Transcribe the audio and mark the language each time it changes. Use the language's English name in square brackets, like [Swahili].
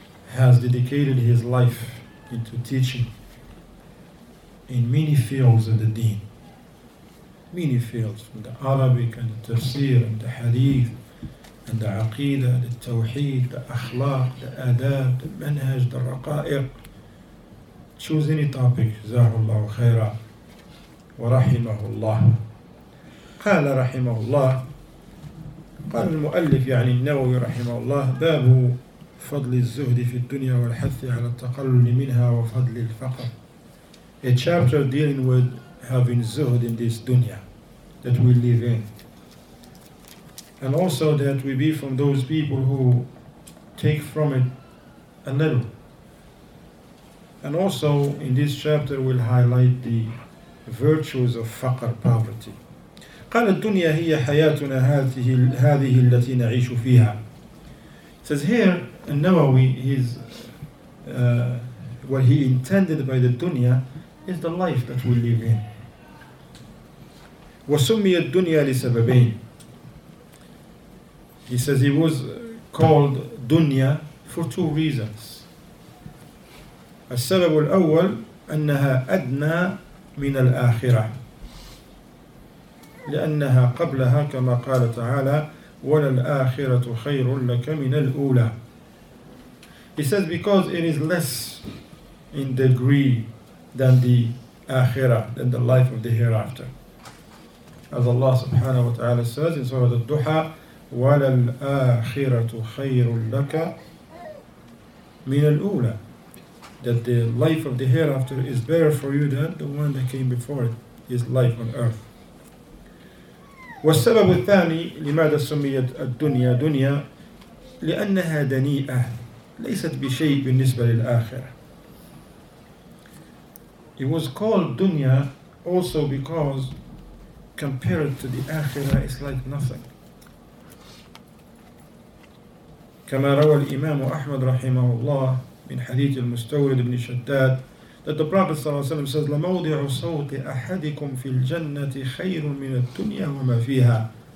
[English] Has dedicated his life into teaching in many fields of the deen. Many fields, from the Arabic, and the tafsir, and the hadith, and the aqidah, the tawheed, the akhlaq, the adab, the manhaj, the raqa'iq. Choose any topic, jazakallahu khaira. [Arabic] ورحمه الله قال رحمه الله قال المؤلف يعني النووي رحمه الله باب فضل الزهد في الدنيا والحث على التقلل منها وفضل الفقر. [English] A chapter dealing with having zuhd in this dunya that we live in, and also that we be from those people who take from it a little. And also in this chapter we'll highlight the virtues of faqr, poverty. [Arabic] قال الدنيا هي حياتنا هذه التي نعيش فيها. [English] Says here, النووي, his what he intended by the dunya is the life that we live in. [Arabic] وسمي الدنيا لسببين. [English] He says he was called dunya for two reasons. [Arabic] السبب الأول أنها أدنى من الآخرة لأنها قبلها كما قال تعالى وللآخرة خير لك من الأولى. [English] He says because it is less in degree than the آخرة, than the life of the hereafter, as Allah subhanahu wa ta'ala says in Surah الدحى [Arabic] وللآخرة خير لك من الأولى, [English] that the life of the hereafter is better for you than the one that came before it, his life on earth. [Arabic] والسبب الثاني لماذا سميت الدنيا دنيا لأنها دنيئة ليست بشيء بالنسبة للآخرة. [English] It was called dunya also because compared to the akhirah it's like nothing. [Arabic] كما روى الإمام أحمد رحمه الله من حديث المستورد بن شداد [English] that the Prophet [Arabic] صلى الله عليه وسلم says لموضع صوت أحدكم في الجنة خير من الدنيا وما فيها.